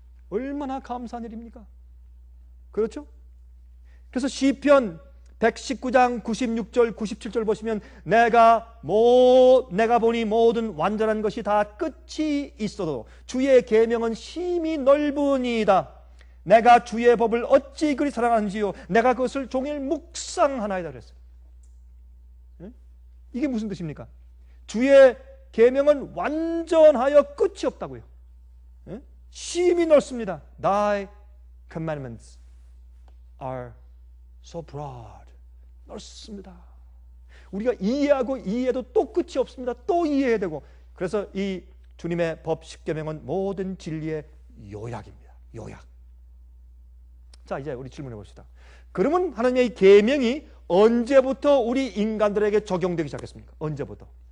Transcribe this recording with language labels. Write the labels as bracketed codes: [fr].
[ko] 얼마나 감사한 일입니까? 그렇죠? 그래서 시편 119장 96절 97절 보시면 내가 보니 모든 완전한 것이 다 끝이 있어도 주의 계명은 심히 넓으니이다. 내가 주의 법을 어찌 그리 사랑하는지요. 내가 그것을 종일 묵상하나이다 그랬어요. 이게 무슨 뜻입니까? 주의 계명은 완전하여 끝이 없다고요. 심히 넓습니다. [en] Thy commandments are so broad. [ko] 넓습니다. 우리가 이해하고 이해해도 또 끝이 없습니다. 또 이해해야 되고. 그래서 이 주님의 법 십계명은 모든 진리의 요약입니다. 요약. 자, 이제 우리 질문해 봅시다. 그러면 하나님의 이 계명이 언제부터 우리 인간들에게 적용되기 시작했습니까? 언제부터?